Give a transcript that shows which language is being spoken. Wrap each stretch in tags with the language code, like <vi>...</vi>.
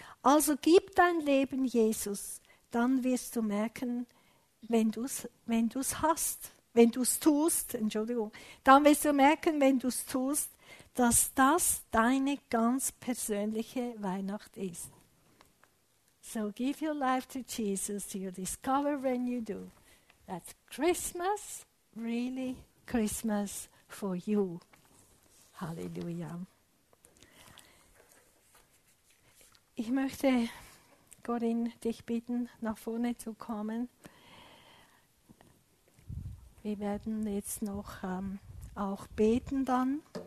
<de>Also gib dein Leben Jesus, dann wirst du merken, wenn du es tust, dass das deine ganz persönliche Weihnacht ist.</de> <en>So give your life to Jesus, you'll discover when you do. That's Christmas, really Christmas for you. Hallelujah.</en> <de>Ich möchte, Corinne, dich bitten, nach vorne zu kommen. Wir werden jetzt noch auch beten dann.</de>